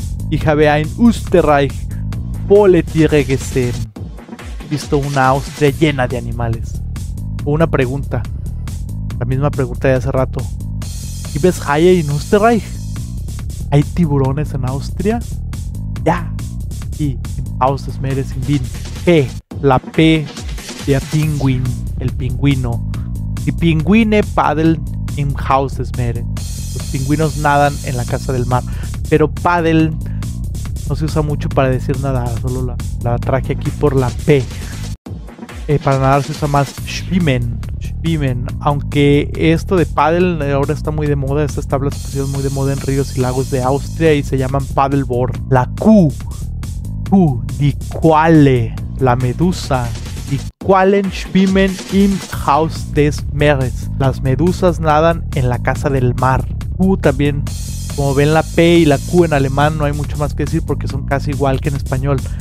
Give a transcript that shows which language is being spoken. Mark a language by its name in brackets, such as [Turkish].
[German] Ich habe ein Österreich volle Tiere gesehen. [Spanish] Visto una Austria llena de animales. Una pregunta. La misma pregunta de hace rato. [German] ¿Gibt es Haie in Österreich? [Spanish] ¿Hay tiburones en Austria? Ya. Y en Haus des Meeres in Wien. P. La P de a pinguin. El pingüino. [German] Die Pinguine paddeln im Haus des Meeres. Los [Spanish] pingüinos nadan en la casa del mar. Pero paddle no se usa mucho para decir nadar, solo la traje aquí por la P. Para nadar se usa más schwimmen, aunque esto de paddle ahora está muy de moda, estas tablas pusieron muy de moda en ríos y lagos de Austria y se llaman paddleboard. La Q, die Qualle, la medusa, [German] die Quallen schwimmen im Haus des Meeres, [Spanish] las medusas nadan en la casa del mar. Q también, como ven la P y la Q en alemán no hay mucho más que decir porque son casi igual que en español.